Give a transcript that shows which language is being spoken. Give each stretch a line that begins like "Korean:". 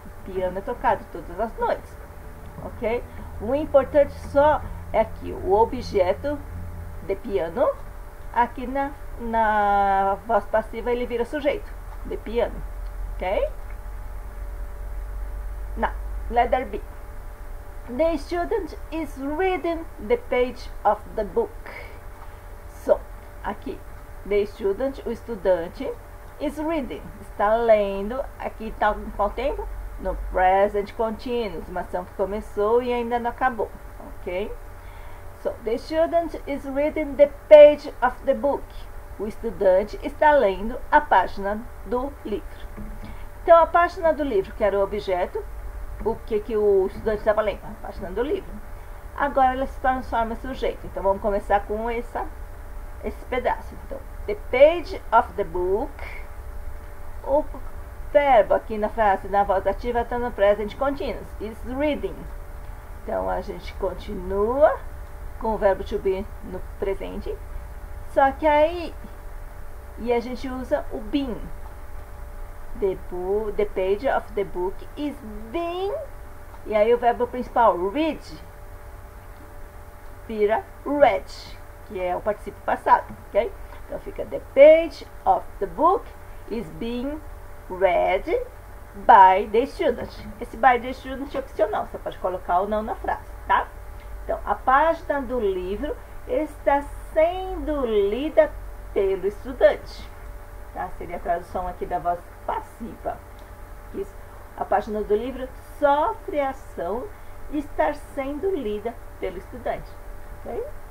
Portuguese: O piano é tocado todas as noites. Ok? O importante só é aqui, o objeto de piano, aqui na voz passiva ele vira sujeito, de piano, ok?
English: Now, let there be. The student is reading the page of the book.
Portuguese: So, aqui,
English: the student,
Portuguese: o estudante,
English: is reading,
Portuguese: está lendo, aqui está com qual tempo? No present continuous, uma ação que começou e ainda não acabou, ok?
English: So, the student is reading the page of the book.
Portuguese: O estudante está lendo a página do livro. Então, a página do livro, que era o objeto, o que o estudante estava lendo? A página do livro. Agora, ela se transforma em sujeito. Então, vamos começar com esse pedaço. Então,
English: the page of the book,
Portuguese: o verbo aqui na frase, na voz ativa, está no present continuous.
English: Is reading.
Portuguese: Então, a gente continua com o verbo to be no presente. Só que aí, e a gente usa o been.
English: The page of the book is being.
Portuguese: E aí, o verbo principal, read, vira read, que é o participio passado, ok? Então, fica
English: the page of the book is being read by the student.
Portuguese: Esse
English: by the student
Portuguese: é opcional, você pode colocar ou não na frase, tá? Então, a página do livro está sendo lida pelo estudante, tá? Seria a tradução aqui da voz passiva. Isso. A página do livro sofre a ação de estar sendo lida pelo estudante, ok?